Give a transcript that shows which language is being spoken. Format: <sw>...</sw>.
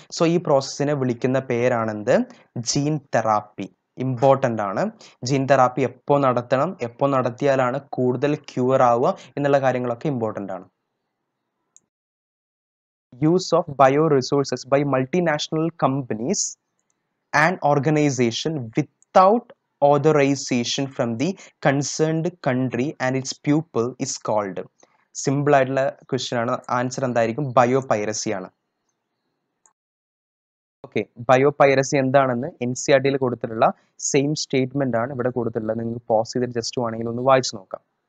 <ml>So ഈ പ്രോസസ്സിനെ വിളിക്കുന്ന പേരാണെന്ത്? Gene therapy. Important ആണ്. ജീൻ തെറാപ്പി എപ്പോൾ നടത്തണം, എപ്പോൾ നടത്തിയാലാണ് കൂടുതൽ ക്യൂർ ആവുക എന്നുള്ള കാര്യങ്ങളൊക്കെ ഇമ്പോർട്ടൻ്റ് ആണ്.</ml> <en>Use of bio resources by multi national companies and organisation without authorization from the concerned country and its people is called?</en> <ml>Simple ആയിട്ടുള്ള question ആണ്. Answer എന്തായിരിക്കും? Biopiracy ആണ്. ഓക്കേ, ബയോപൈറസി എന്താണെന്ന് എൻ സി ആർ ടിയിൽ കൊടുത്തിട്ടുള്ള സെയിം സ്റ്റേറ്റ്മെന്റ് ആണ് ഇവിടെ കൊടുത്തിട്ടുള്ളത്. നിങ്ങൾക്ക് പോസ് ചെയ്ത് ജസ്റ്റ് വേണമെങ്കിൽ ഒന്ന് വായിച്ചു നോക്കാം.</ml>